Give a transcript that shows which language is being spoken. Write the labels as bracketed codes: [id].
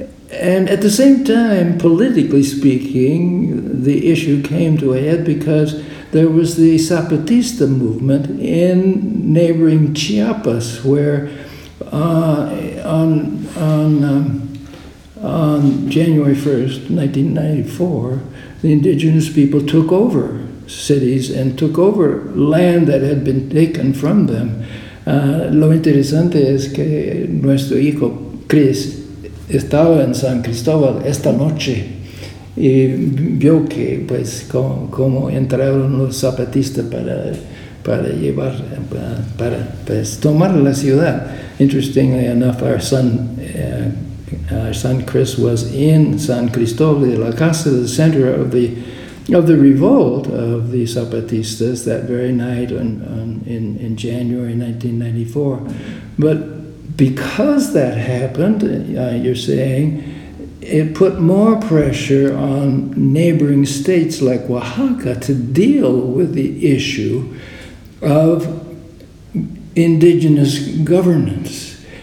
[en] And at the same time, politically speaking, the issue came to a head because there was the Zapatista movement in neighboring Chiapas, where on January 1st, 1994, the indigenous people took over cities and took over land that had been taken from them. [es] Lo interesante es que nuestro hijo Chris estaba en San Cristóbal esta noche y vio que pues cómo entraron los zapatistas para tomar la ciudad. [en] Interestingly enough, our son Chris was in San Cristóbal de la Casa, the center of the revolt of the Zapatistas that very night in January 1994. But because that happened, you're saying, it put more pressure on neighboring states like Oaxaca to deal with the issue of indigenous governance.